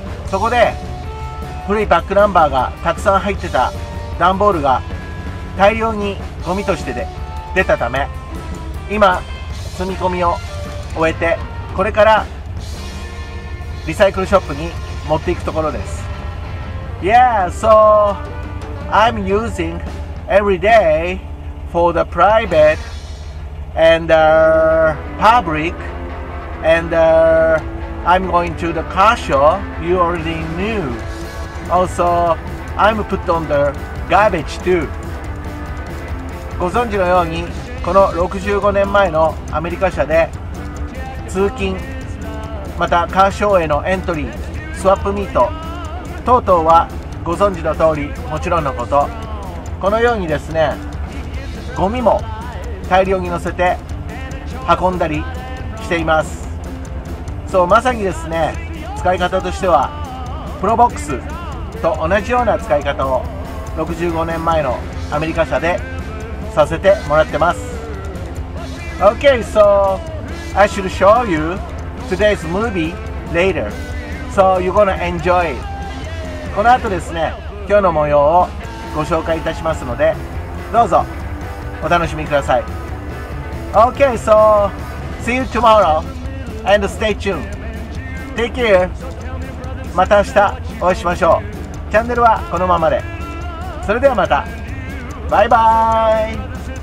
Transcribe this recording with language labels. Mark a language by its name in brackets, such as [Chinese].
[Japanese] そこで古いバックナンバーがたくさん入ってた段ボールが大量にゴミとして出たため、今積み込みを終えて、これからリサイクルショップに持っていくところです。 [English] Yeah, so I'm using every day for the private and public, and I'm going to the car show. You already knew. Also, I'm put on the garbage too. [Japanese] ご存知のようにこの65年前のアメリカ車で通勤またカーショーへのエントリースワップミート等々はご存知の通りもちろんのことこのようにですねゴミも大量に乗せて運んだりしていますそうまさにですね使い方としてはプロボックスと同じような使い方を65年前のアメリカ車でさせてもらってます。 [English] Okay, so I should show you today's movie later. So you're gonna enjoy it. [Japanese] この後ですね、今日の模様をご紹介いたしますので、どうぞお楽しみください。 [English] Okay, so see you tomorrow and stay tuned. Take care. [Japanese] また明日お会いしましょう。チャンネルはこのままで。それではまた。バイバーイ。